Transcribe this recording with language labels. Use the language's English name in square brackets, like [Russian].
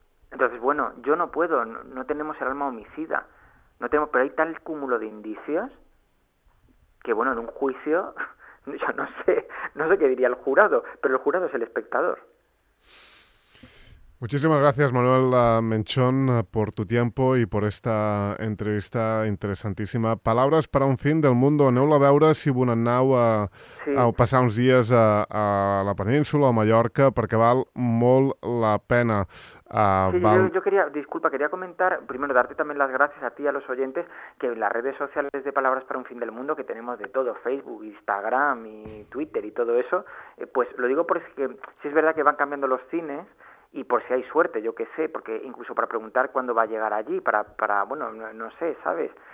[Spanish] Entonces, bueno, yo no puedo, no tenemos el alma homicida. No tenemos, pero hay tal cúmulo de indicios que, bueno, en un juicio, yo no sé qué diría el jurado, pero el jurado es el espectador. Muchísimas gracias, Manuel Menchón, por tu tiempo y por esta entrevista interesantíssima. [Catalan] Palabres per a un fin del mundo. Aneu-la a veure si voleu passar uns dies a la península, a Mallorca, perquè val molt la pena. [Spanish] Quería comentar, primero, darte también las gracias a ti y a los oyentes, que en las redes sociales de Palabras para un Fin del Mundo, que tenemos de todo, Facebook, Instagram y Twitter y todo eso, pues lo digo porque si es verdad que van cambiando los cines, y por si hay suerte, yo qué sé, porque incluso para preguntar cuándo va a llegar allí, para bueno, no sé, ¿sabes?